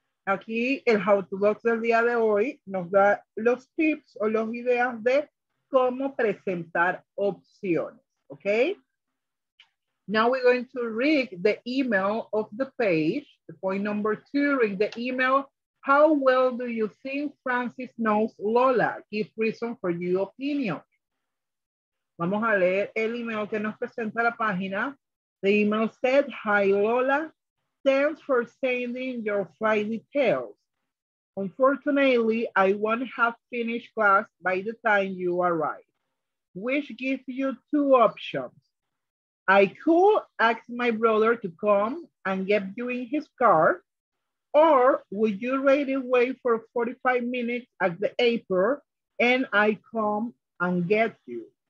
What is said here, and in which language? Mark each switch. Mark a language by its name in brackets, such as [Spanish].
[Spanish] Aquí el [English] how to box [Spanish] del día de hoy nos da los tips o los ideas de cómo presentar opciones, okay? [English] Now we're going to read the email of the page. The point number two, read the email. How well do you think Francis knows Lola? Give reason for your opinion. [Spanish] Vamos a leer el email que nos presenta la página. [English] The email said, hi Lola, thanks for sending your flight details. Unfortunately, I won't have finished class by the time you arrive, which gives you two options. I could ask my brother to come and get you in his car, or would you rather wait for 45 minutes at the airport and I come and get you?